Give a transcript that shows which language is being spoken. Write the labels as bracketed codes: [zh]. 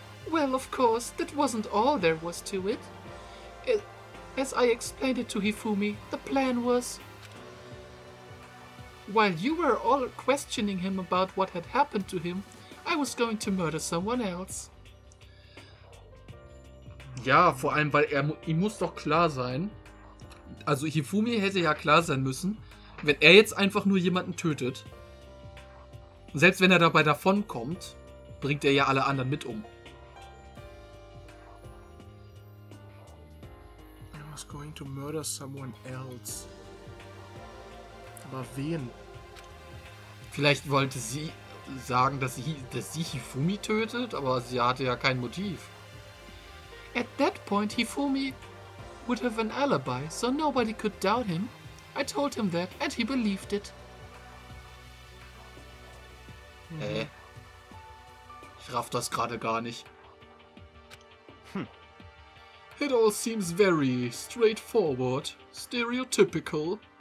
[en] Well, of course, that wasn't all there was to it. As I explained it to Hifumi, the plan was... While you were all questioning him about what had happened to him, I was going to murder someone else. [de] Ja, vor allem, weil ihm muss doch klar sein, also Hifumi hätte ja klar sein müssen, wenn er jetzt einfach nur jemanden tötet, selbst wenn er dabei davonkommt, bringt er ja alle anderen mit um. [en] I was going to murder someone else. [de] Aber wen? Vielleicht wollte sie sagen, dass sie Hifumi tötet, aber sie hatte ja kein Motiv. [en] At that point, Hifumi would have an alibi, so nobody could doubt him. I told him that, and he believed it. [de] Hä? Mhm. Ich raff das gerade gar nicht. [en] Hm. It all seems very straightforward, stereotypical.